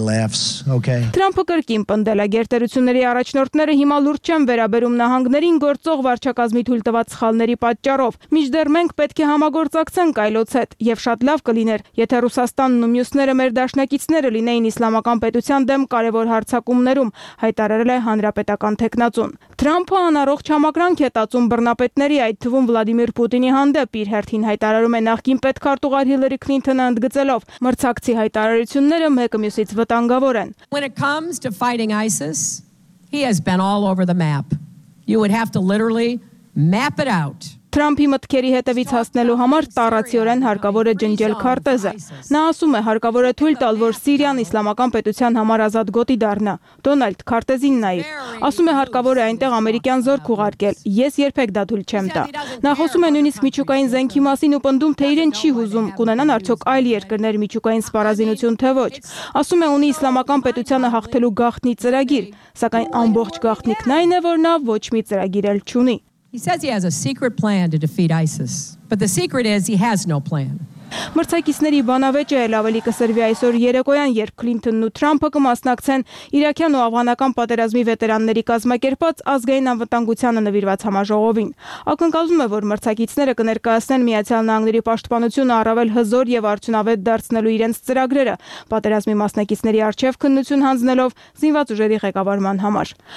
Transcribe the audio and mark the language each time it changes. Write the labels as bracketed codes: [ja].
[hy] Թրամփը կրկին պնդել է, գերտերությունների առաջնորդները հիմա լուրջ չեն վերաբերում նահանգներին գործող վարչակազմի թույլ տված սխալների պատճառով։ Միջդեռ մենք պետք է համագործակցենք այլոց հետ, և շատ լավ կլիներ, եթե Ռուսաստանն ու մյուսները մեր դաշնակիցները լինեին իսլամական պետության դեմ կարևոր հարձակումներում, հայտարարել է հանրապետական թեկնածուն։ Թրամփը անառողջ չհամակրանք է տածում բռնապետների, այդ թվում Վլադիմիր Պուտինի հանդեպ, իր հերթին հայտարարում է նախկին պետքարտուղար Հիլլարի Քլինթոնը ընդգծելով. Մրցակցի հայտարարությունները մեկը մյուսից վտանգավոր են։ [en] When it comes to fighting ISIS, he has been all over the map. You would have to literally map it out. [hy] Թրամփի մտքերի հետևից հասնելու համար տարածիորեն հարկավոր է ջնջել քարտեզը։ Նա ասում է, հարկավոր է թույլ տալ, որ Սիրիան իսլամական պետության համար ազատ գոտի դառնա։ Դոնալդ քարտեզին նայիր։ Ասում է, հարկավոր է այնտեղ ամերիկյան զորք ուղարկել։ Ես երբեք դա թույլ չեմ տա։ Նա խոսում է նույնիսկ միջուկային զենքի մասին ու պնդում, թե իրեն չի հուզում կունենան արդյոք այլ երկրներ միջուկային սպառազինություն, թե ոչ։ Ասում է, ունի իսլամական պետությանը հաղթելու գաղտնի ծրագիր, սակայն ամբողջ գաղտնիքն այն է, որ նա ոչ մի ծրագիր էլ չունի։ [en] He says he has a secret plan to defeat ISIS, but the secret is he has no plan. [hy] Մրցակիցների բանավեճը էլ ավելի կսրվի այսօր երեկոյան, երբ Քլինթոնն ու Թրամփը կմասնակցեն Իրաքյան ու Աֆղանական պատերազմի վետերանների կազմակերպած ազգային անվտանգությանը նվիրված համաժողովին։ Ակնկալվում է, որ մրցակիցները կներկայացնեն Միացյալ Նահանգների պաշտպանությունը առավել հզոր և արդյունավետ դարձնելու իրենց ծրագրերը, պատերազմի մասնակիցների առջև քննություն հանձնելով զինված ուժերի ղեկավարման համար։